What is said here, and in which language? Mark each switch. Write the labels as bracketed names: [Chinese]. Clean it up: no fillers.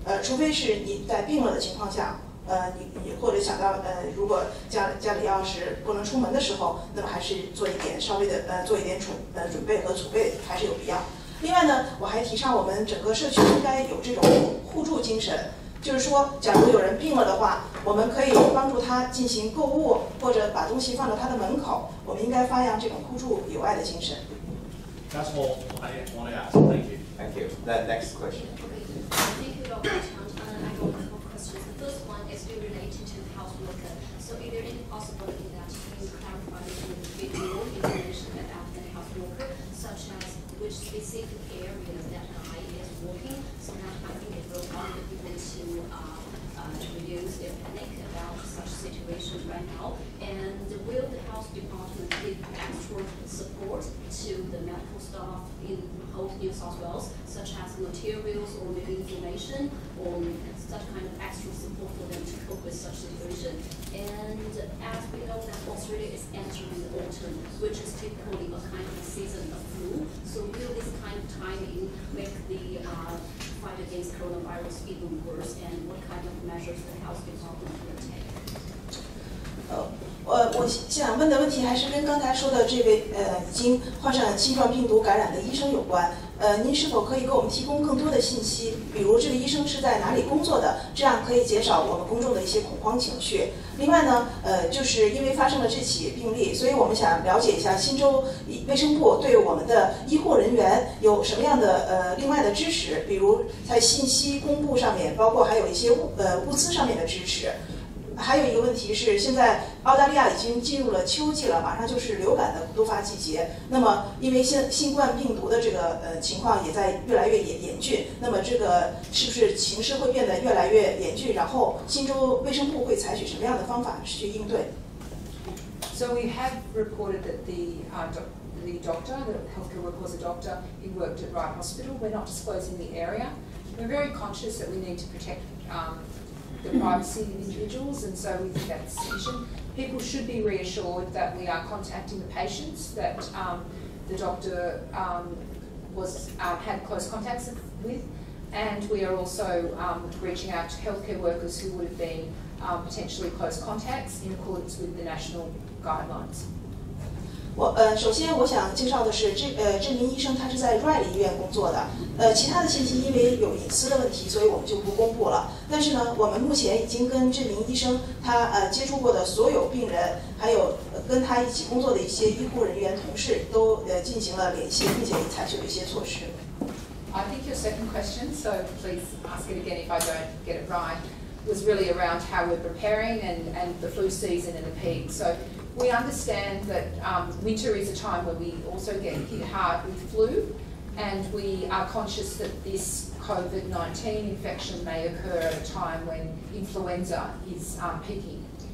[Chinese] 除非是你在病了的情况下，你或者想到如果家里要是不能出门的时候，那么还是做一点稍微的做一点准备和储备还是有必要。另外呢，我还提倡我们整个社区应该有这种互助精神。就是说，假如有人病了的话，我们可以帮助他进行购物，或者把东西放到他的门口。我们应该发扬这种互助友爱的精神。 [English] That's all I want to ask. Thank you. Thank you. That next question. Thank you, Dr. Chang. I got a couple of questions. questions. The first one is still related to the health worker. So is there any possibility that you clarify a bit more information about the health worker, such as which specific area that guy is working? So now I think it will help the people to reduce their panic about such situations right now. And will the health department give extra support to the medical staff in Old New South Wales, such as materials or maybe information or such kind of extra support for them to cope with such situation? And as we know that Australia is entering the autumn, which is typically a kind of a season of flu, so will this kind of timing make the fight against coronavirus even worse, and what kind of measures the health department will take? [Chinese] 我想问的问题还是跟刚才说的这位已经患上了新冠病毒感染的医生有关。您是否可以给我们提供更多的信息，比如这个医生是在哪里工作的，这样可以减少我们公众的一些恐慌情绪。另外呢，就是因为发生了这起病例，所以我们想了解一下新州卫生部对我们的医护人员有什么样的另外的支持，比如在信息公布上面，包括还有一些物资上面的支持。还有一个问题是，现在澳大利亚已经进入了秋季了，马上就是流感的多发季节。那么，因为新冠病毒的这个情况也在越来越严峻，那么这个是不是形势会变得越来越严峻？然后，新州卫生部会采取什么样的方法去应对 [English] ？So we have reported that the doctor, the healthcare worker, was a doctor. He worked at Wright Hospital. We're not disclosing the area. We're very conscious that we need to protect. The privacy of individuals, and so we think that's sufficient. People should be reassured that we are contacting the patients, that the doctor had close contacts with, and we are also reaching out to healthcare workers who would have been potentially close contacts in accordance with the national guidelines. [Chinese] 首先我想介绍的是这名医生他是在 Wright 医院工作的，其他的信息因为有隐私的问题，所以我们就不公布了。但是呢，我们目前已经跟这名医生他接触过的所有病人，还有跟他一起工作的一些医护人员同事都进行了联系，并且采取了一些措施。 [English] I think your second question, so please ask it again if I don't get it right, was really around how we're preparing and the flu season and the peak. So. We understand that winter is a time where we also get hit hard with flu, and we are conscious that this COVID-19 infection may occur at a time when influenza is peaking.